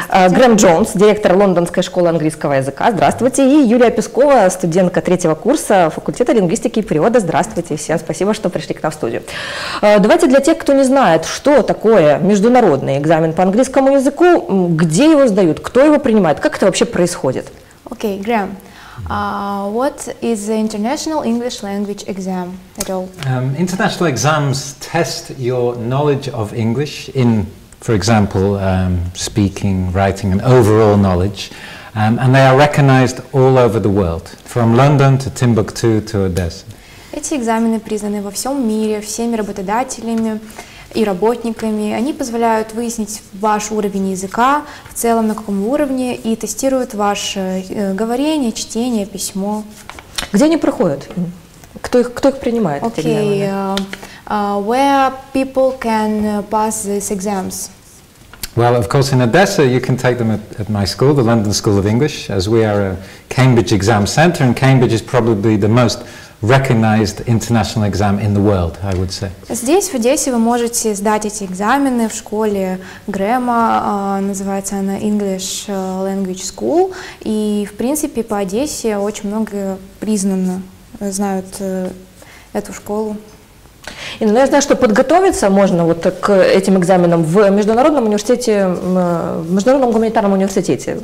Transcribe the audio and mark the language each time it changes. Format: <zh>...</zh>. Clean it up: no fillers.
<ru>Грэм Джонс, директор Лондонской школы английского языка. Здравствуйте. И Юлия Пескова, студентка третьего курса факультета лингвистики и перевода. Здравствуйте. Всем спасибо, что пришли к нам в студию. Давайте для тех, кто не знает, что такое международный экзамен по английскому языку, где его сдают, кто его принимает, как это вообще происходит? Окей, Грэм.</ru> <en>What is the International English Language Exam at all? International exams test your knowledge of English in, for example, speaking, writing, and overall knowledge. And they are recognized all over the world, from London to Timbuktu to Odessa.</en> <ru>Эти экзамены признаны во всем мире, всеми работодателями и работниками. Они позволяют выяснить ваш уровень языка, в целом на каком уровне, и тестируют ваше говорение, чтение, письмо. Где они проходят? Кто их принимает?</ru> <en>Okay, where people can pass these exams? Well, of course, in Odessa you can take them at my school, the London School of English, as we are a Cambridge exam center, and Cambridge is probably the most recognized international exam in the world, I would say.</en> <ru>Здесь, в Одессе, вы можете сдать эти экзамены в школе Грэма, называется она English Language School, и, в принципе, по Одессе очень много признанно знают эту школу. Инна, я знаю, что подготовиться можно вот к этим экзаменам в международном университете, в международном гуманитарном университете.</ru>